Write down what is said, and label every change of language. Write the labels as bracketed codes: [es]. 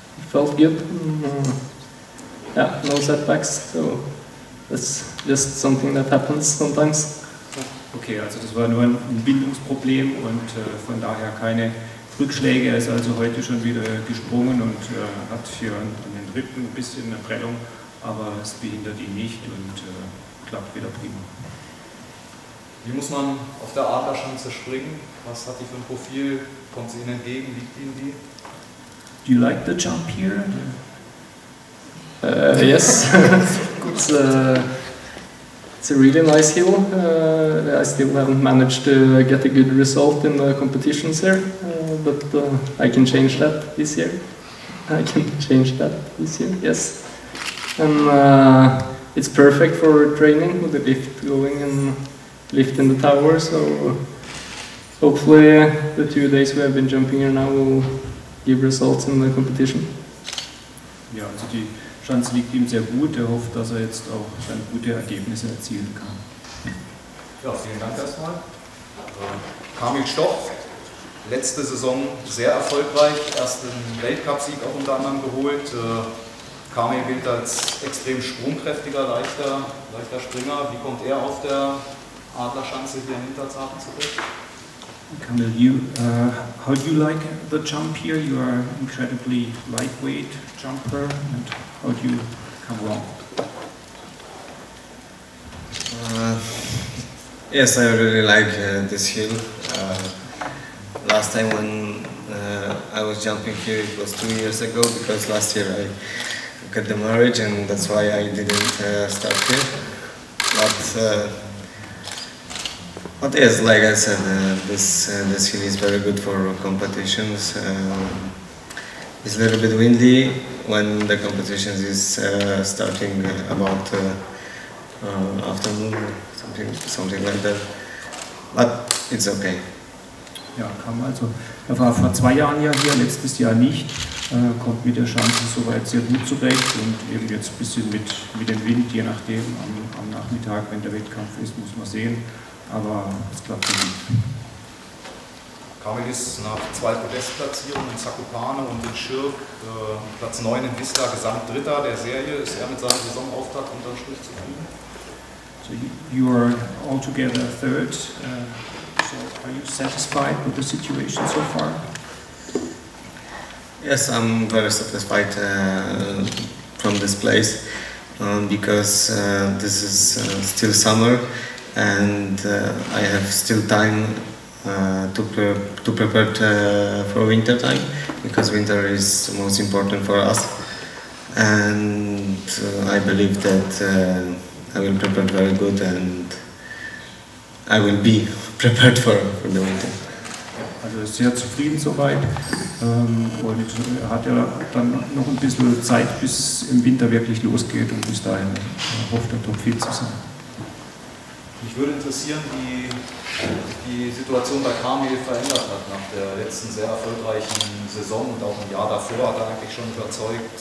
[en] Felt good. Yeah, no setbacks, so that's just something that happens sometimes. [de] Okay, also das war nur ein Bindungsproblem und von daher keine Rückschläge. Er ist also heute schon wieder gesprungen und hat hier an den Rippen ein bisschen eine Prellung, aber es behindert ihn nicht und klappt wieder prima. Wie muss man auf der Adlerschanze springen? Was hat die für ein Profil? Kommt sie Ihnen entgegen? Liegt Ihnen die? [en] Do you like the jump here? Yes. Gut. It's a really nice hill. I still haven't managed to get a good result in the competitions here, but I can change that this year. I can change that this year, yes. And it's perfect for training with the lift going and lift in the tower, so hopefully the 2 days we have been jumping here now will give results in the competition. Yeah, it's deep. [de] Schanz liegt ihm sehr gut. Er hofft, dass er jetzt auch dann gute Ergebnisse erzielen kann. Ja, vielen Dank erstmal. Kamil Stoff, letzte Saison sehr erfolgreich, ersten Weltcup-Sieg auch unter anderem geholt. Kamil gilt als extrem sprungkräftiger, leichter Springer. Wie kommt er auf der Adlerschanze hier in Hinterzarten zurück? [en] Kamil, how do you like the jump here? You are incredibly lightweight jumper. And how do you come along? Yes, I really like this hill. Last time when I was jumping here, it was 2 years ago, because last year I got the marriage and that's why I didn't start here. But yes, like I said, this hill is very good for competitions. It's a little bit windy when the competitions is starting about afternoon, something like that. But it's okay. [de] Ja, kam also. Er war vor 2 Jahren ja hier, letztes Jahr nicht. Kommt mit der Schanze soweit sehr gut zurecht und eben jetzt ein bisschen mit dem Wind, je nachdem, am Nachmittag, wenn der Wettkampf ist, muss man sehen. Aber es klappt nicht. Kamil ist nach 2 Podestplatzierungen in Zakopane und in Schirk Platz 9 in Wista, Gesamtdritter der Serie. Ist er mit seinem Saisonauftakt unter dem Strich zufrieden? [en] So you are altogether third. So are you satisfied with the situation so far? Yes, I'm very satisfied from this place because this is still summer. And I have still time to prepare for winter time, because winter is most important for us. And I believe that I will prepare very good, and I will be prepared for the winter. [de] Also sehr zufrieden soweit. Und hat ja dann noch ein bisschen Zeit, bis im Winter wirklich losgeht, und bis dahin hofft er top fit zu sein. Mich würde interessieren, wie die Situation bei Kamil verändert hat nach der letzten sehr erfolgreichen Saison und auch im Jahr davor hat er eigentlich schon überzeugt.